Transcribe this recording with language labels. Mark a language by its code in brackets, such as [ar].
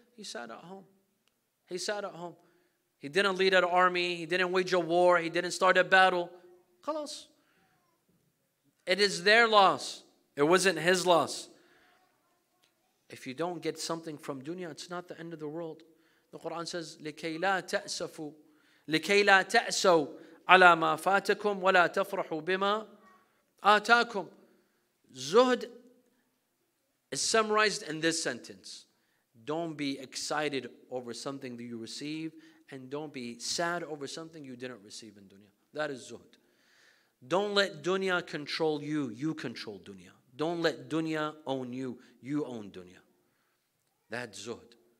[en] He sat at home. He sat at home. He didn't lead an army. He didn't wage a war. He didn't start a battle. خلاص. It is their loss. It wasn't his loss. If you don't get something from dunya, it's not the end of the world. The Quran says, [ar] لِكَيْ لَا تَأْسَفُ لِكَيْ لَا تَأْسَوْ عَلَى مَا فَاتَكُمْ وَلَا تَفْرَحُ بِمَا آتَاكُمْ. [en] Zuhd is summarized in this sentence. Don't be excited over something that you receive and don't be sad over something you didn't receive in dunya. That is zuhd. Don't let dunya control you. You control dunya. Don't let dunya own you. You own dunya. That's zuhd.